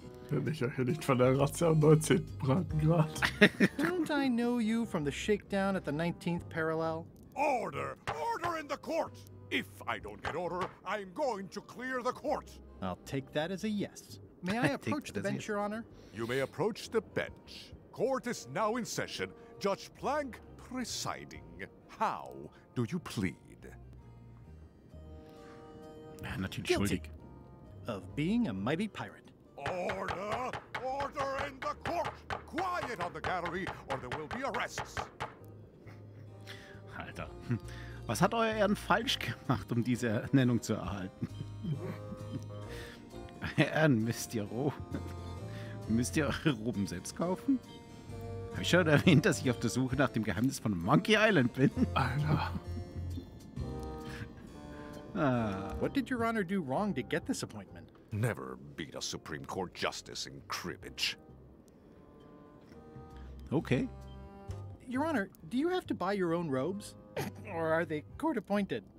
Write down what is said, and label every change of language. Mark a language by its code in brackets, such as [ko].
[de] Bin ich ja hier nicht von der Razzia am 19. Breitengrad. [en] Don't I know you from the shakedown at the 19th parallel? Order! Order in the court! If I don't get order, I'm going to clear the court! I'll take that as a yes. May I approach the bench, Your Honor? You may approach the bench. Court is now in session. Judge Plank presiding. How do you plead? [de] Natürlich schuldig. [en] Of being a mighty pirate. Order! Order in the court! Quiet on the gallery, or there will be arrests! [de] Alter, was hat euer Ehren falsch gemacht, um diese Ernennung zu erhalten? Herren, müsst ihr eure Roben selbst kaufen? Hab ich schon erwähnt, dass ich auf der Suche nach dem Geheimnis von Monkey Island bin? Alter. [en] What did your honor do wrong to get this appointment? Never beat a Supreme Court justice in cribbage. Okay. Your honor, do you have to buy your own robes? Or are they court-appointed?